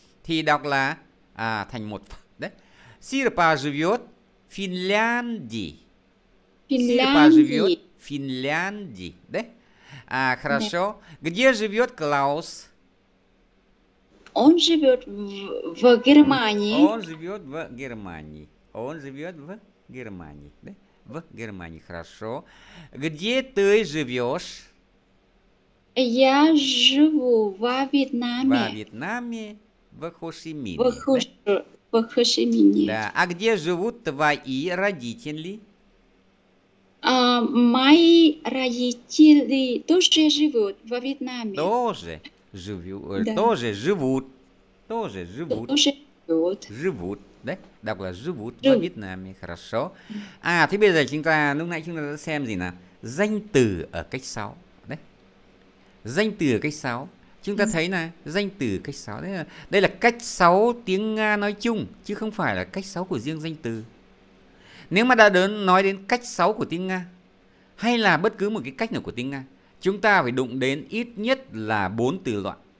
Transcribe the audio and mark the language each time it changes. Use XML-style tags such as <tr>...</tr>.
<vi>Thì đọc là thành một f, đấy.</vi> <ru>Sirpa живет в Финляндии. Sirpa живет в Финляндии, đấy. À, хорошо. Где живет Клаус? Он живет в Германии. Он живет в Германии. Он живет в Германии. Да? В Германии. Хорошо. Где ты живешь? Я живу в Вьетнаме. В Вьетнаме. В Хошимине. В Хошимине. Да. А где живут твои родители? Мои родители тоже живут в Вьетнаме. Тоже живут. Да. Тоже живут. Тоже живут. Тоже живут. Живут.</ru> <vi>Đấy, đọc là</vi> <ru>живут в Вьетнаме, хорошо.</ru> <vi>À, thế bây giờ chúng ta, lúc nãy chúng ta đã xem gì nào? Danh từ ở cách 6. Đấy. Danh từ ở cách 6. Chúng ta thấy là danh từ cách 6. Đấy là, đây là cách 6 tiếng Nga nói chung, chứ không phải là cách 6 của riêng danh từ. Nếu mà đã đến nói đến cách 6 của tiếng Nga, hay là bất cứ một cái cách nào của tiếng Nga, chúng ta phải đụng đến ít nhất là 4 từ loại.</vi>